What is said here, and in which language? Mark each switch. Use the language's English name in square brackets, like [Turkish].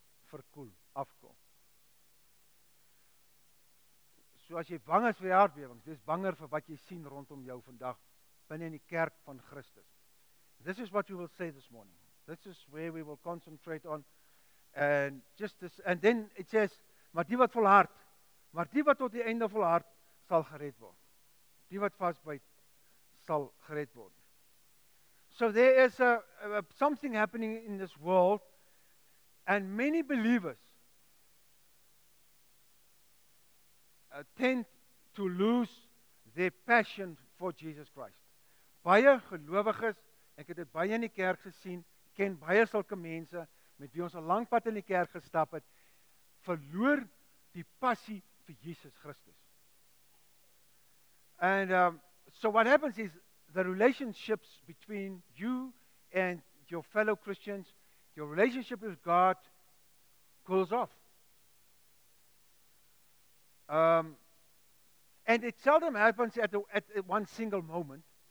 [Afrikaans] So as jy bang is vir aardbewings, dis banger vir wat jy sien rondom jou vandag binne in die kerk van Christus. [English] This is what we will say this morning. This is where we will concentrate on. And just this, and then it says, [Afrikaans] maar die wat tot die einde volhard sal gered word. Die wat vasbyt sal gered word. [English] So there is a something happening in this world, and many believers tend to lose their passion for Jesus Christ. [Afrikaans] Baie gelowiges, ek het dit baie in die kerk gesien, ken baie sulke mense met wie ons al lank pad in die kerk gestap het, verloor die passie vir Jesus Christus. [English] And so what happens is, the relationships between you and your fellow Christians, your relationship with God, cools off. And it seldom happens at one single moment.